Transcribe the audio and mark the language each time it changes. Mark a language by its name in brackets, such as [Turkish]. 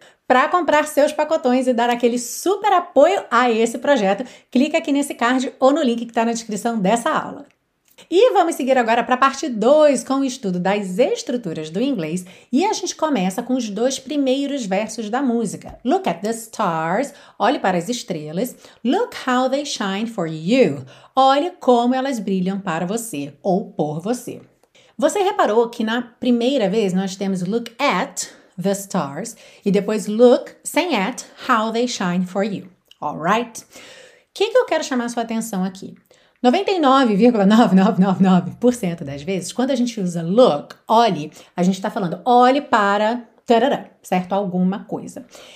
[Portuguese] Para comprar seus pacotões e dar aquele super apoio a esse projeto, clica aqui nesse card ou no link que está na descrição dessa aula. E vamos seguir agora para a parte 2, com o estudo das estruturas do inglês. E a gente começa com os dois primeiros versos da música. [English] Look at the stars. [Portuguese] Olhe para as estrelas. [English] Look how they shine for you. [Portuguese] Olhe como elas brilham para você ou por você. Você reparou que na primeira vez nós temos [English] look at the stars [Portuguese] e depois look, sem at, [English] how they shine for you. Alright? [Portuguese] O que eu quero chamar a sua atenção aqui? 99,9999% das vezes, quando a gente usa look, olhe, a gente está falando olhe para, tarará, certo? Alguma coisa.